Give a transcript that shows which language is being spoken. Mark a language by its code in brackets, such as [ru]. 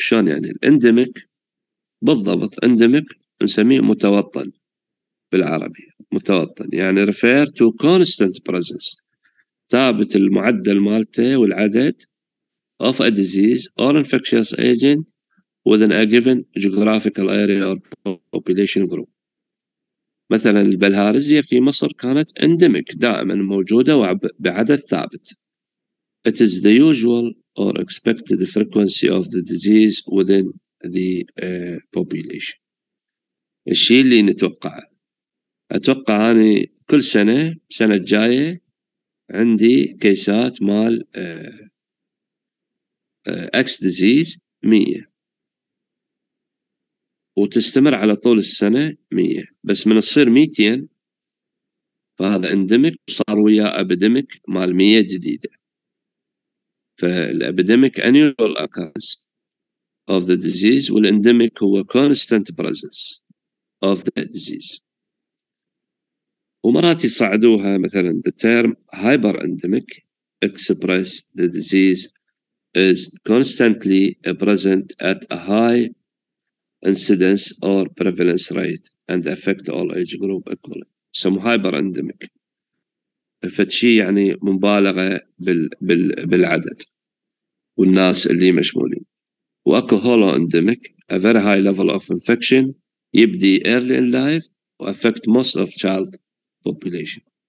[ar] شون يعني الإنديميك؟ بالضبط إنديميك نسميه متوطن بالعربي، متوطن يعني [en] refer to constant presence، [ar] ثابت المعدل مالته والعدد [en] of a disease or infectious agent within a given geographical area or population group. [ar] مثلا البلهارزية في مصر كانت endemic، دائما موجودة وبعدد ثابت. [en] It is the usual or expected frequency of the disease within the population. [ar] الشيء اللي نتوقعه، أتوقع أني كل سنة سنة جاية عندي كيسات مال اكس ديزيز 100 وتستمر على طول السنه 100، بس من تصير 200 فهذا اندمك وصار ويا ابيديميك مال 100 جديده. [en] فالابيديميك unusual occurrence of the disease, والاندمك هو constant presence of the disease. [ar] ومرات يصعدوها مثلا [en] the term hyperendemic express the disease is constantly present at a high incidence or prevalence rate and affect all age group equally. [ar] سمو hyperendemic فتشي يعني مبالغة بالعدد والناس اللي مشمولين. [en] وأكو holoendemic a very high level of infection يبدي early in life و affect most of child population.